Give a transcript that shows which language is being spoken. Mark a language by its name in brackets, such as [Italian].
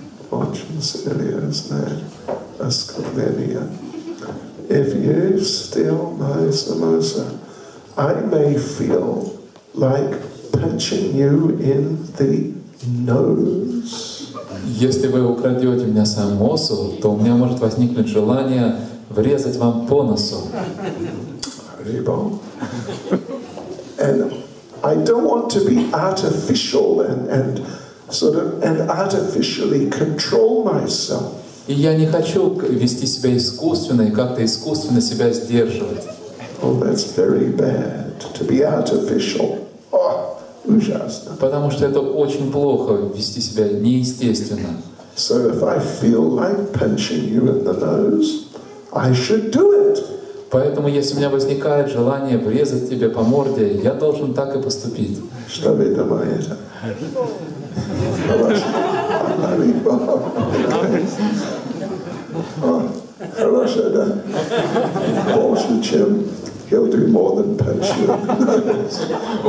[Russian] очень серьезное оскорбление. [English] If you steal my samosa, I may feel like punching you in the nose. [Russian] Если вы украдете у меня самосу, то у меня может возникнуть желание врезать вам по носу. [English] And I don't want to be artificial and sort of and artificially control myself. [Russian] И я не хочу вести себя искусственно и как-то искусственно себя сдерживать. [English] Oh, that's very bad to be artificial. [Russian] Oh, ужасно. Потому что это очень плохо вести себя неестественно. [English] So if I feel like punching you in the nose, I should do it. [Russian] Поэтому, если у меня возникает желание врезать тебе по морде, я должен так и поступить. Что вы думаете? Хорошая, да? Больше, чем [English] he'll do more than punch you.